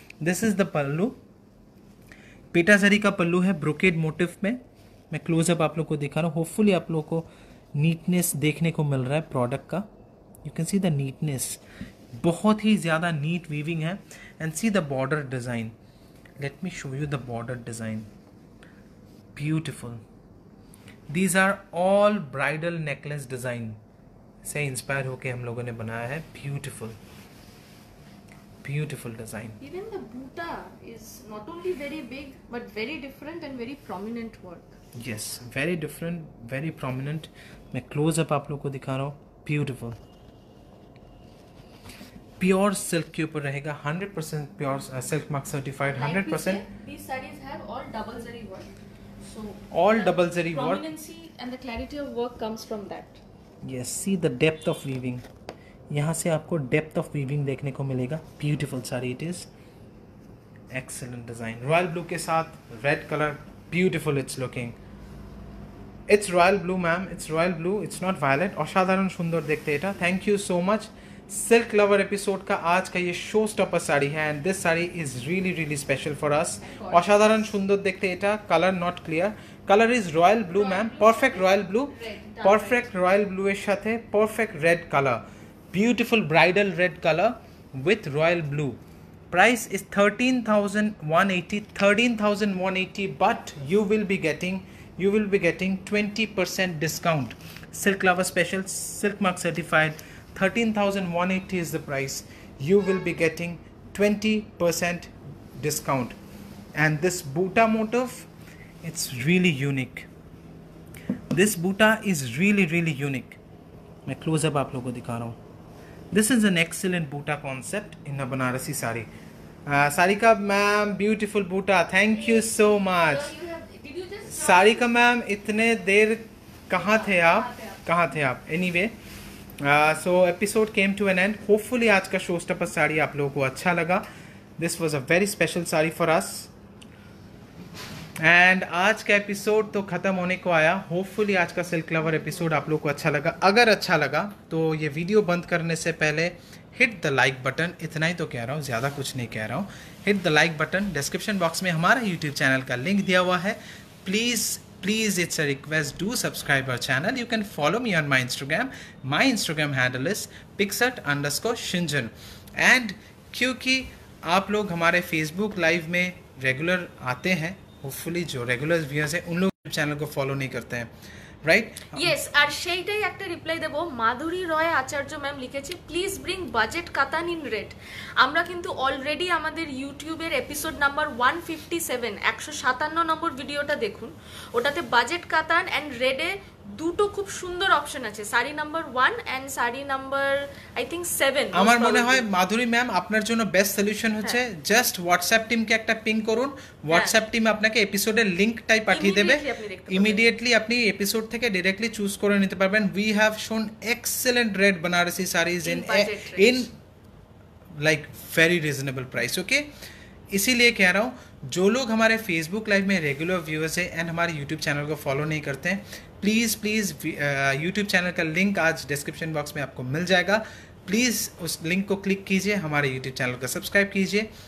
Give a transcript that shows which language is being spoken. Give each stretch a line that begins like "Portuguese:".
English: This is the
Hindi: pallu, PETA जरी का पल्लू है,
English: brocade motif में,
Hindi: मैं close up आप लोग को दिखा रहा हूँ, hopefully आप लोग को neatness देखने को मिल रहा है product का,
English: you can see the neatness,
Hindi: बहुत ही ज़्यादा neat weaving है,
English: and see the border design, let me show you the border design, beautiful, these are all bridal necklace design.
Hindi: से इंस्पायर होके हम लोगों ने बनाया है,
English: Beautiful beautiful design. Even the buta is not only very big but very different and very prominent work, yes very different very prominent,
Hindi: मैं close up आप लोगों को दिखा रहा हूँ, ब्यूटीफुल प्योर सिल्क के ऊपर रहेगा,
English: 100% pure silk mark certified, 100% these saris have all double zari work, so all double zari work, prominency and the clarity of work comes from that, yes see the depth of weaving,
Hindi: यहाँ से आपको depth of weaving देखने को मिलेगा,
English: beautiful sari it is, excellent design,
Hindi: royal blue के साथ red colour,
English: Beautiful it's looking, it's royal blue ma'am, it's royal blue, it's not violet, असाधारण सुंदर देखते इटा, thank you so much.
Hindi: Silk lover episode का आज का ये शो स्टॉपर साड़ी है,
English: and this sari is really really special for us, असाधारण सुंदर देखते इटा, colour not clear, colour is royal blue ma'am, perfect royal blue,
Bangla: perfect royal blue এর সাথে perfect red colour,
English: Beautiful bridal red colour with royal blue, price is 13,180, but you will be getting, you will be getting 20% discount, silk lover special, silk mark certified, 13,180 is the price, you will be getting 20% discount. And this Buta motif, it's really unique. This Buta is really, really unique.
Hindi: मैं close up आप लोगों को दिखा रहा हूँ.
English: This is an excellent buta concept in a Banarasi sari.
Hindi: साड़ी का ma'am beautiful Buta, thank you so much. Sari का ma'am इतने देर कहाँ थे आप, कहाँ थे आप?
English: Anyway so episode came to an end.
Hindi: Hopefully आज का शो स्टॉपर साड़ी आप लोगों को अच्छा लगा.
English: This was a very special sari for us.
Hindi: And आज का एपिसोड तो ख़त्म होने को आया. होपफुली आज का सिल्क लवर एपिसोड आप लोग को अच्छा लगा. अगर अच्छा लगा तो ये वीडियो बंद करने से पहले
English: Hit the like button.
Hindi: इतना ही तो कह रहा हूँ, ज़्यादा कुछ नहीं कह रहा हूँ.
English: Hit the like button.
Hindi: Description box में हमारा यूट्यूब चैनल का लिंक दिया हुआ है.
English: Please please it's a request, do subscribe our channel. You can follow me on my Instagram. My Instagram handle is pixart_shinjan. And
Hindi: क्योंकि आप लोग हमारे फेसबुक लाइव में रेगुलर आते हैं, होपफुली जो रेगुलर व्यूअर्स हैं उन लोग चैनल को फॉलो नहीं करते हैं, राइट?
English: Yes.
Hindi: और
Bangla: সেইটাই একটা রিপ্লাই দেব. মাধুরী রয় আচার্য ম্যাম লিখেছে,
English: Please bring budget katan in red.
Bangla: আমরা কিন্তু অলরেডি আমাদের ইউটিউবের এপিসোড নাম্বার 157 নম্বর ভিডিওটা দেখুন, ওটাতে বাজেট কাতান এন্ড রেডে দুটো খুব সুন্দর অপশন আছে, সারি নাম্বার 1 এন্ড সারি নাম্বার আই থিং 7. আমার মনে হয় মাধুরী ম্যাম আপনার জন্য বেস্ট সলিউশন হচ্ছে
English: just WhatsApp টিমকে
Bangla: একটা পিং করুন. হোয়াটসঅ্যাপ টিম আপনাকে এপিসোডের লিংকটাই পাঠিয়ে দেবে. ইমিডিয়েটলি আপনি এপিসোড থেকে ডাইরেক্টলি চুজ করে নিতে পারবেন.
English: We have shown excellent red Banarasi saris in like very reasonable price.
Hindi: ওকে, इसीलिए कह रहा हूँ जो लोग हमारे फेसबुक लाइव में रेगुलर व्यूअर्स हैं एंड हमारे यूट्यूब चैनल को फॉलो नहीं करते हैं, प्लीज़ प्लीज़ यूट्यूब चैनल का लिंक आज डिस्क्रिप्शन बॉक्स में आपको मिल जाएगा. प्लीज़ उस लिंक को क्लिक कीजिए, हमारे यूट्यूब चैनल को सब्सक्राइब कीजिए.